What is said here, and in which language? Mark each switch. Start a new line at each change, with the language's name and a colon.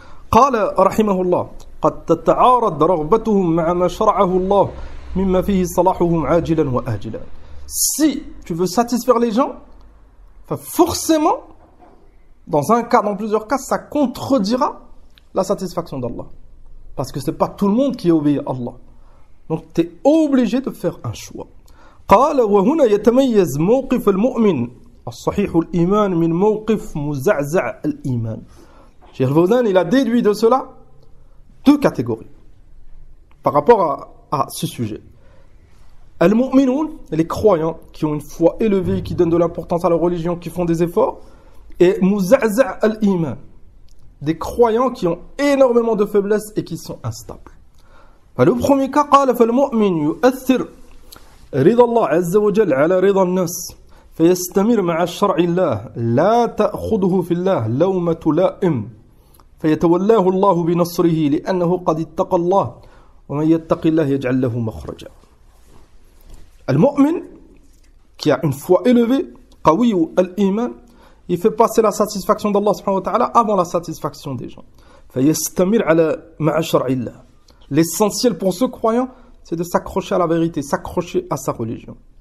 Arabic: قال رحمه الله قد تتعارض رغبتهم مع ما شرعه الله مما فيه صلاحهم عاجلا وآجلا.
French: Si tu veux satisfaire les gens, forcément, dans un cas, dans plusieurs cas, ça contredira la satisfaction d'Allah. Parce que ce n'est pas tout le monde qui obéit à Allah. Donc tu es obligé de faire un choix.
Arabic: قال وهنا يتميز موقف المؤمن الصحيح الإيمان من موقف مزعزع الإيمان.
French: Cheikh Fawzan, il a déduit de cela deux catégories par rapport à ce sujet. Al-mu'minun, les croyants qui ont une foi élevée, qui donnent de l'importance à leur religion, qui font des efforts. Et muza'za' al-iman, des croyants qui ont énormément de faiblesses et qui sont instables. Le premier cas,
Arabic: قال فالمؤمن يؤثر رضا الله عز وجل على رضا الناس. فيستمر مع الشرع الله لا تأخذه في الله لومة لائم فيتولاه الله بنصره لأنه قد اتقى الله ومن يتق الله يجعل له مخرجا.
French: المؤمن qui a une foi élevée,
Arabic: قوي الإيمان,
French: il fait passer la satisfaction d'Allah سبحانه وتعالى avant la satisfaction des gens.
Arabic: فيستمر على مع شرع الله.
French: L'essentiel pour ce croyant, c'est de s'accrocher à la vérité, s'accrocher à sa religion.